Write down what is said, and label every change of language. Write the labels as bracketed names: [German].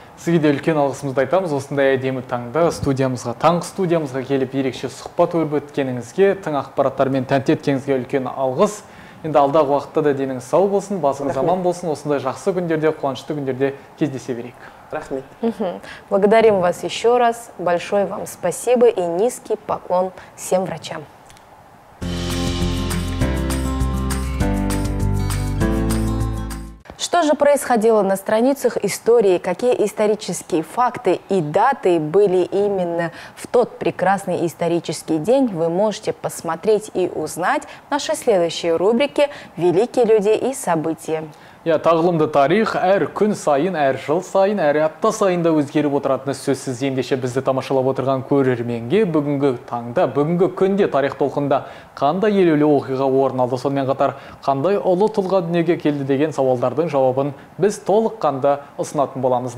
[Kazakh] Сізге де үлкен алғысымызды айтамыз. Осындай әдемі таңда студиямызға, таңғы студиямызға келіп, ерекше сұхбат өрбіткеніңізге, тың ақпараттармен тәнті еткеніңізге үлкен алғыс. Енді алдағы уақытта да деніңіз сау болсын, басыңыз аман болсын. Осындай жақсы күндерде, қуанышты күндерде кездесе берейік. Рахмет. [Russian] Благодарим вас еще раз. Большое вам спасибо и низкий поклон всем врачам. Что же происходило на страницах истории, какие исторические факты и даты были именно в тот прекрасный исторический день, вы можете посмотреть и узнать в нашей следующей рубрике «Великие люди и события». [Kazakh] Я тағылымды тарих, әр күн сайын, әр жыл сайын, әр апта сайын да өзгеріп отыратыны сөзсіз. Ендеше бізді тамашалап отырған көрерменге бүгінгі таңда, бүгінгі күнде тарих толқында қандай елеулі оқиға орын алды, сонымен қатар қандай ұлы тұлға дүниеге келді деген сауалдардың жауабын біз толық қанда ұсынатын боламыз.